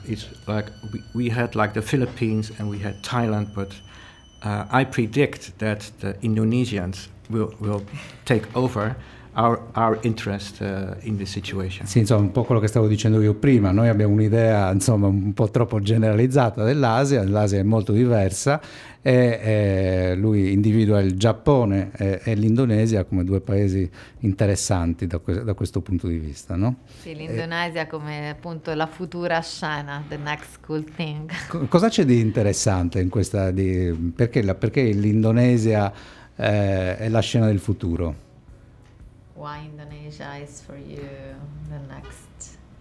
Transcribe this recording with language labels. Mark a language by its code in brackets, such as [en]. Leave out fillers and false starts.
[en] It's like we had like the Philippines and we had Thailand, but I predict that the Indonesians will take over our interest in this situation. [it] Sì, insomma, un po' quello che stavo dicendo io prima. Noi abbiamo un'idea, insomma, un po' troppo generalizzata dell'Asia. L'Asia è molto diversa e lui individua il Giappone e l'Indonesia come due paesi interessanti da questo punto di vista, no? Sì, l'Indonesia come appunto la futura scena, [en] the next cool thing. [it] Cosa c'è di interessante in questa... Perché l'Indonesia è la scena del futuro? [en] Why Indonesia is for you the next?